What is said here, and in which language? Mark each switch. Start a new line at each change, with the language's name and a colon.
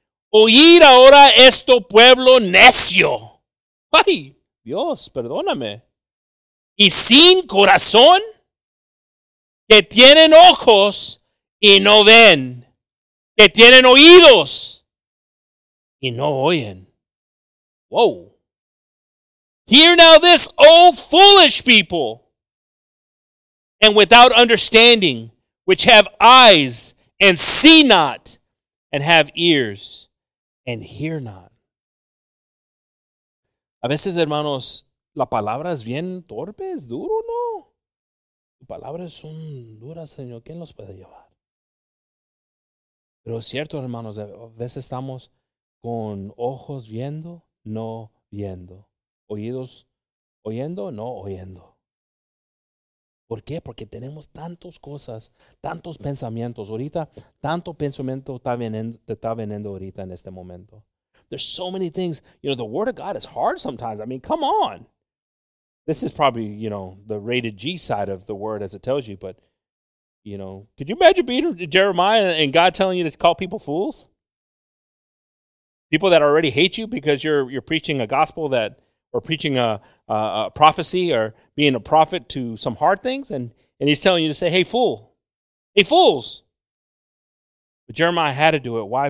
Spanish: Oír ahora esto, pueblo necio. Ay, Dios, perdóname. Y sin corazón, que tienen ojos y no ven, que tienen oídos y no oyen.
English: Whoa. Hear now this, oh foolish people, and without understanding, which have eyes and see not, and have ears. And hear not.
Spanish: A veces, hermanos, la palabra es bien torpe, es duro, ¿no? Las palabras son duras, Señor. ¿Quién los puede llevar? Pero es cierto, hermanos, a veces estamos con ojos viendo, no viendo. Oídos oyendo, no oyendo. ¿Por qué? Porque tenemos tantas cosas, tantos pensamientos. Ahorita, tanto pensamiento te está veniendo ahorita en este momento.
English: There's so many things. You know, the Word of God is hard sometimes. I mean, come on. This is probably, you know, the rated G side of the Word, as it tells you. But, you know, could you imagine being Jeremiah and God telling you to call people fools? People that already hate you because you're preaching a gospel that, or preaching a prophecy, or being a prophet to some hard things, and he's telling you to say, hey, fool. Hey, fools. But Jeremiah had to do it. Why?